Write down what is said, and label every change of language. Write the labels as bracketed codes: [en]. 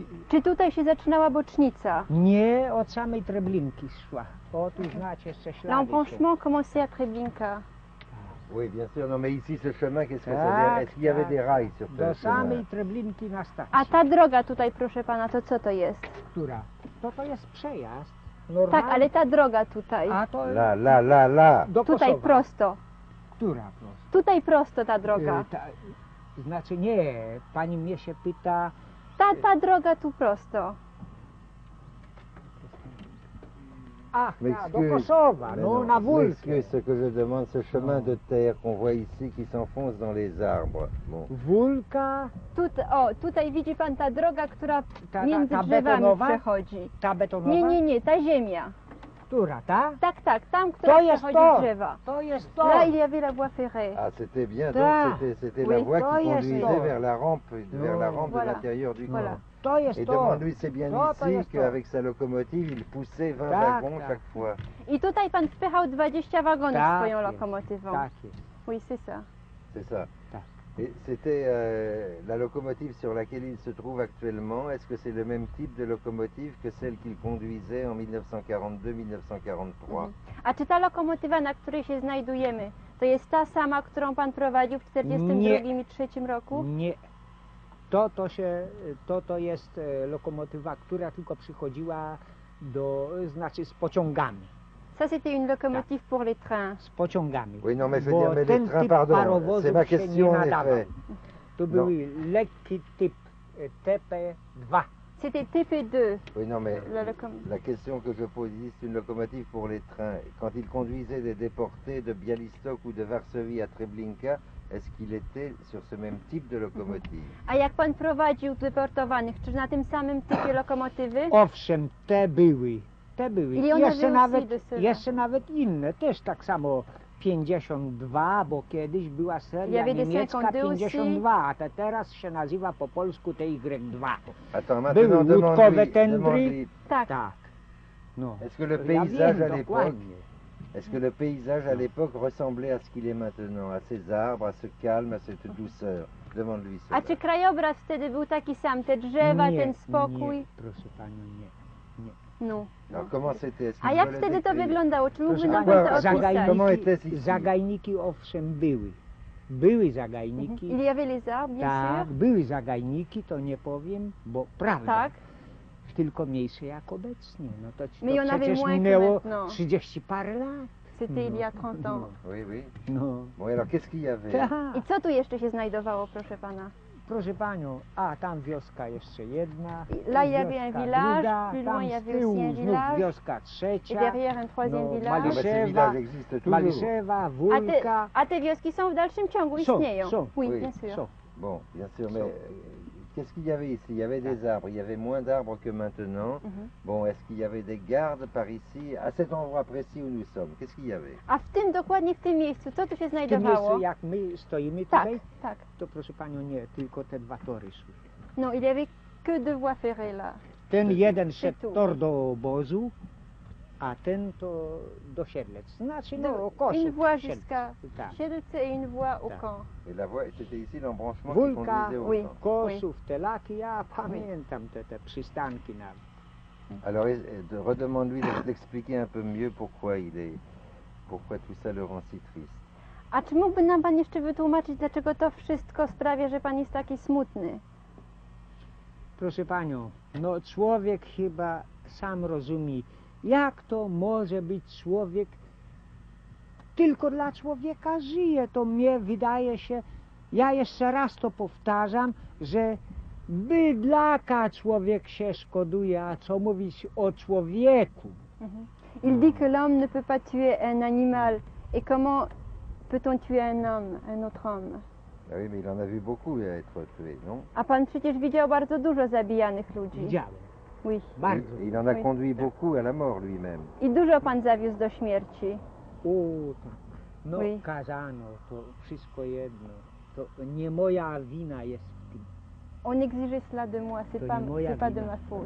[pl] Czy tutaj się zaczynała bocznica? Nie, od samej Treblinki szła. O, tu znacie jeszcze ślady. [fr] L'embranchement commençait à Treblinka. Oui, bien sûr. Non, mais ici, ce chemin, qu'est-ce que ça veut dire? Est-ce qu'il y avait des rails sur ce chemin? [pl] Treblinki na stacji. A ta droga tutaj, proszę pana, to co to jest? Która? To jest przejazd. Normalny. Tak, ale ta droga tutaj. A to... La. Do tutaj Kosowa. Prosto. Która prosto? Tutaj prosto ta droga. Znaczy nie, pani mnie się pyta... Ta droga tu prosto. Ach, do Kosowa, na Wólkę. [fr] Excuse, ce que je demande, ce chemin de terre qu'on voit ici, qui s'enfonce dans les arbres. Bon. [pl] Wólka... Tutaj widzi pan ta droga, która między drzewami przechodzi. Ta betonowa? Nie, ta ziemia. Która, ta? Tak, tam, która przechodzi drzewa. To jest to! [fr] Là, il y avait la voie ferrée. Ah, c'était bien, donc c'était la voie qui conduisait vers la rampe de l'intérieur du camp. [pl] To jest [fr] et demande-lui, c'est bien ici qu'avec sa locomotive, il poussait 20 wagons chaque fois. [pl] I tutaj pan wpychał 20 wagonów swoją lokomotywą. Tak jest. [fr] Oui, c'est ça. C'est ça. Et c'était la locomotive sur laquelle il se trouve actuellement. Est-ce que c'est le même type de locomotive que celle qu'il conduisait en 1942-1943? [pl] A czy ta lokomotywa, na której się znajdujemy, to jest ta sama, którą pan prowadził w 1942 i 1943 roku? Nie. To jest lokomotywa, która tylko przychodziła z pociągami. [fr] Ça c'était une locomotive pour les trains. [pl] Pociągami. [fr] Oui, non, mais je veux dire, mais les trains, pardon, c'est ma question, en effet. [pl] To był lekki typ, TP2. [fr] C'était TP2. Oui, non, mais la question que je pose, c'est une locomotive pour les trains. Quand il conduisait des déportés de Białystok ou de Varsovie à Treblinka, est-ce qu'il était sur ce même type de locomotive? [pl] A jak pan prowadził deportowanych, czy na tym samym typie lokomotywy? Owszem, te były. Te były. Jeszcze nawet inne, też tak samo 52, bo kiedyś była seria niemiecka 52, a te teraz się nazywa po polsku TY2. Były łódkowe tendry. Tak. No. [fr] Est-ce que le paysage à l'époque? Est-ce que le paysage à l'époque ressemblait à ce qu'il est maintenant, à ces arbres, à ce calme, à cette douceur? Demande-lui cela. [pl] A czy krajobraz wtedy był taki sam, te drzewa, ten spokój? Nie, proszę panią, nie. No. [fr] Alors, comment c'était? [pl] A jak wtedy to wyglądało? Czy mógłby nam to opisać? Zagajniki owszem były. Były zagajniki. [fr] Il y avait les arbres, bien sûr. [pl] Były zagajniki, to nie powiem, bo prawda. Tak. Tylko mniejsze jak obecnie. No to przecież minęło 30 parę lat. [fr] C'était il y a 30 ans. Oui. [pl] No. [fr] Bon, alors qu'est-ce qu'il y avait? [pl] I co tu jeszcze się znajdowało, proszę pana? Proszę panią, a tam wioska jeszcze jedna. [fr] Là il y avait un village, plus loin il y avait aussi un village. [pl] Wioska trzecia. [fr] Et derrière un troisième village. Maliszewa, existe toujours. [pl] Maliszewa, Wólka. A te wioski są w dalszym ciągu, istnieją. Są. [fr] Oui, bien sûr. Bon, bien sûr, mais qu'est-ce qu'il y avait ici? Il y avait des arbres, il y avait moins d'arbres que maintenant. Mm-hmm. Bon, est-ce qu'il y avait des gardes par ici, à cet endroit précis où nous sommes? Qu'est-ce qu'il y avait? [pl] A w tym dokładnie, w tym miejscu, co tu się znajdowało? W tym miejscu, jak my stoimy tak, tutaj? Tak. To proszę panią, nie, tylko te dwa tory szły. [fr] No, il y avait que deux voies ferrées là. [pl] Ten jeden szedł tor do obozu, a ten to do Siedlec. Znaczy, no, Kosów. [fr] Une voie jusqu'à Siedlce et une voie au camp. Et la voie, c'était ici l'embranchement qui conduisait au camp. [pl] Wólka, Kosów, Telaki, ja pamiętam te przystanki nam. [fr] Alors, redemande-lui d'expliquer un peu mieux pourquoi tout ça le rend si triste. [pl] A czy mógłby nam pan jeszcze wytłumaczyć, dlaczego to wszystko sprawia, że pan jest taki smutny? Proszę panią, no człowiek chyba sam rozumie, jak to może być człowiek, tylko dla człowieka żyje. To mnie wydaje się, ja jeszcze raz to powtarzam, że bydlaka człowiek się szkoduje, a co mówić o człowieku? Mhm. [fr] Il dit que l'homme ne peut pas tuer un animal. Et comment peut-on tuer un homme, un autre homme? Ah oui, mais il en a vu beaucoup à être tué, non? [pl] A pan przecież widział bardzo dużo zabijanych ludzi. Widziałem. [fr] Oui. Il en a conduit beaucoup à la mort lui-même. [pl] I dużo pan zawiózł do śmierci. O, no [fr] oui. [pl] Kazano, to wszystko jedno. To nie moja wina jest w tym. [fr] On exige cela de moi, c'est pas de ma faute.